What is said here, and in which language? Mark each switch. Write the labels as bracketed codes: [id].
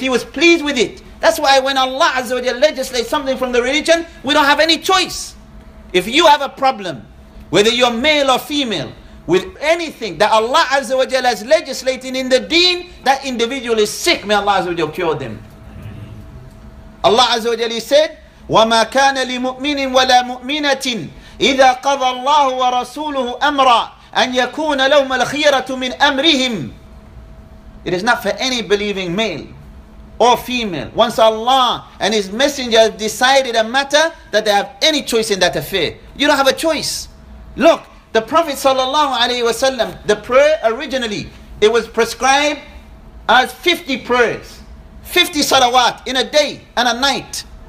[en] He was pleased with it. That's why when Allah azza wa jal legislates something from the religion, we don't have any choice. If you have a problem, whether you're male or female, with anything that Allah Azza wa Jalla has legislated in the deen, that individual is sick. May Allah Azza wa Jalla cure them. Allah Azza wa Jalla said, [ar] وَمَا كَانَ لِمُؤْمِنٍ وَلَا مُؤْمِنَةٍ إِذَا قَضَى اللَّهُ وَرَسُولُهُ أَمْرًا أَنْ يَكُونَ لَوْمَ الْخِيَرَةُ مِنْ أَمْرِهِمْ [en] It is not for any believing male or female. Once Allah and His Messenger decided a matter, that they have any choice in that affair. You don't have a choice. Look, the Prophet ﷺ, the prayer originally, it was prescribed as 50 prayers, 50 salawat in a day and a night.